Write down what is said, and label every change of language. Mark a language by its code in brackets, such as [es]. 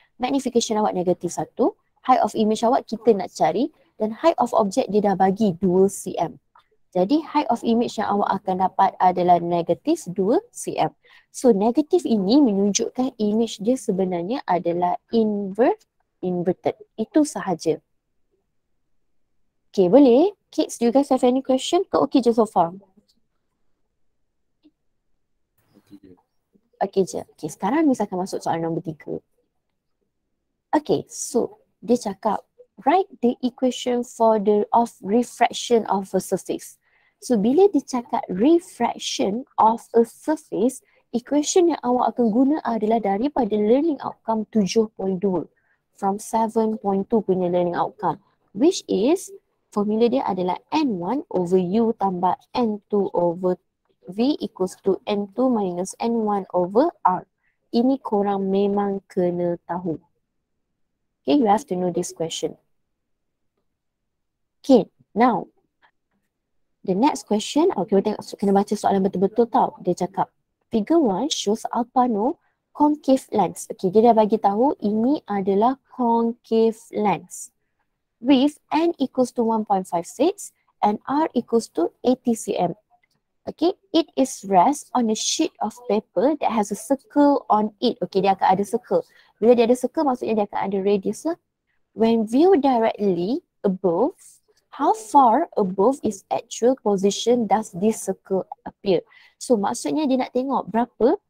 [ms] Magnification awak negative 1. Height of image awak kita nak cari. Dan height of object dia dah bagi 2 cm. Jadi height of image yang awak akan dapat adalah negatif 2 cm. So negatif ini menunjukkan image dia sebenarnya adalah inverted. Itu sahaja. Okay, boleh? [en] Kids, do you guys have any question? [ms] Kau okay je so far? Okay je. Okay, sekarang misalkan masuk soalan nombor 3. [en] Okay, so dia cakap write the equation for the of refraction of a surface. [ms] So, bila dia cakap refraction of a surface, equation yang awak akan guna adalah daripada learning outcome 7.2 from 7.2 punya learning outcome, which is formula dia adalah N1 over U tambah N2 over V equals to N2 minus N1 over R. Ini korang memang kena tahu. [en] Okay, you have to know this question. Okay, now. The next question, okay, [ms] kita kena baca soalan betul-betul tau. Dia cakap, [en] figure 1 shows Alpano concave lens. [ms] Okay, dia dah bagi tahu ini adalah concave lens. [en] With N equals to 1.56 and R equals to 80 cm. Okay, it is rest on a sheet of paper that has a circle on it. [ms] Okay, dia akan ada circle. Bila dia ada circle, maksudnya dia akan ada radius lah. [en] When viewed directly above, how far above its actual position does this circle appear? [ms] So maksudnya dia nak tengok berapa